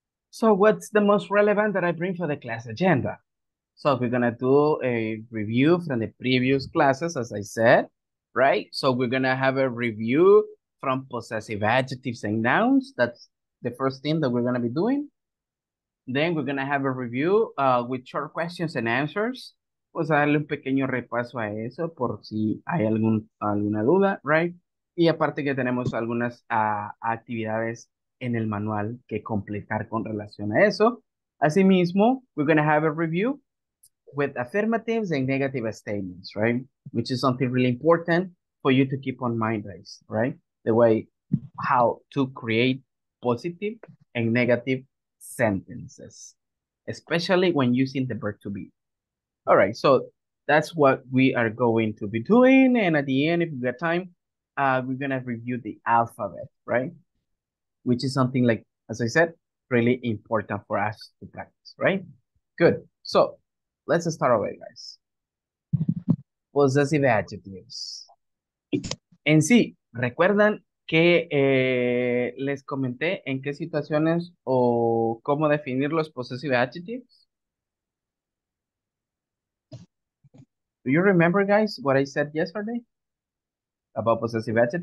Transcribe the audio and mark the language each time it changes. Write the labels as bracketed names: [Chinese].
[English] So what's the most relevant that I bring for the class agenda? So we're gonna do a review from the previous classes, as I said, right? So we're gonna have a review from possessive adjectives and nouns. That's the first thing that we're gonna be doing. Then we're gonna have a review with short questions and answers. [Spanish] Vamos a darle un pequeño repaso a eso por si hay alguna duda, right? Y aparte que tenemos algunas actividades en el manual que completar con relación a eso. [English] Asimismo, we're going to have a review with affirmatives and negative statements, right? Which is something really important for you to keep on mind, guys, right? The way how to create positive and negative sentences, especially when using the verb to be. All right, so that's what we are going to be doing. And at the end, if you got time, we're gonna review the alphabet, right? Which is something like, as I said, really important for us to practice, right? Good. So let's start away, guys. Possessive adjectives. [Spanish] En sí, ¿recuerdan que les comenté en qué situaciones o cómo definir los possessive adjectives? [English] Do you remember, guys, what I said yesterday about possessive